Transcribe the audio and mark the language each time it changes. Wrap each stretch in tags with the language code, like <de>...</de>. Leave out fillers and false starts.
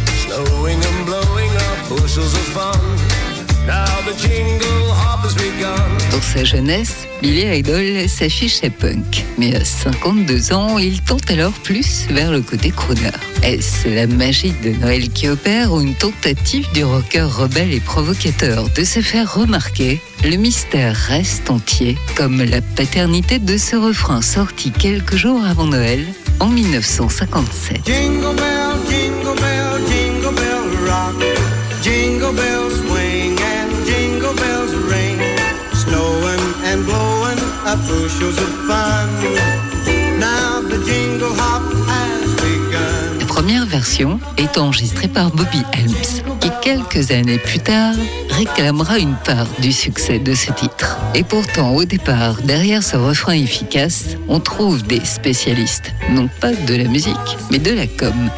<en>Snowing and blowing up bushels of fun. Now the jingle hop has begun.</en> <fr>Dans sa jeunesse, Billy Idol s'affiche à punk, mais à 52 ans, il tente alors plus vers le côté crooner. Est-ce la magie de Noël qui opère ou une tentative du rocker rebelle et provocateur de se faire remarquer ? Le mystère reste entier, comme la paternité de ce refrain sorti quelques jours avant Noël, en 1957.</fr> <en>Jingle bell, jingle bell, jingle bell rock. Jingle bells swing and jingle bells ring. Snowing and blowing up bushels of fun. Now the jingle hop has begun.</en> <fr>La première version est enregistrée par Bobby Helms, qui quelques années plus tard réclamera une part du succès de ce titre. Et pourtant, au départ, derrière ce refrain efficace, on trouve des spécialistes, non pas de la musique, mais de la com.</fr>